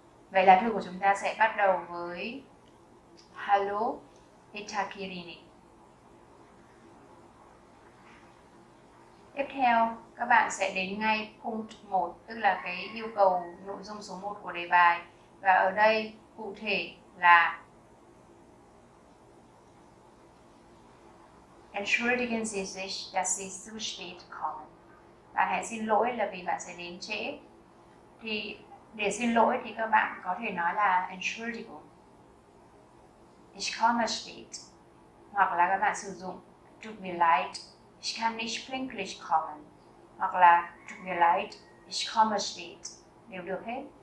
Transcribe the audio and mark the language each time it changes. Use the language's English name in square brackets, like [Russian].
[Vietnamese] Vậy là thư của chúng ta sẽ bắt đầu với Hallo Itakirini. Tiếp theo các bạn sẽ đến ngay punkt 1, tức là cái yêu cầu nội dung số 1 của đề bài. Và ở đây cụ thể là [German] Entschuldigen Sie sich, dass Sie zu spät kommen. [Vietnamese] Bạn hãy xin lỗi là vì bạn sẽ đến trễ. Thì để xin lỗi thì các bạn có thể nói là [German] Entschuldigung. Ich komme spät. [Vietnamese] hoặc là các bạn sử dụng [German] tut mir leid, ich kann nicht pünktlich kommen, [Vietnamese] hoặc là [German] tut mir leid, ich komme spät, [Vietnamese] đều được hết.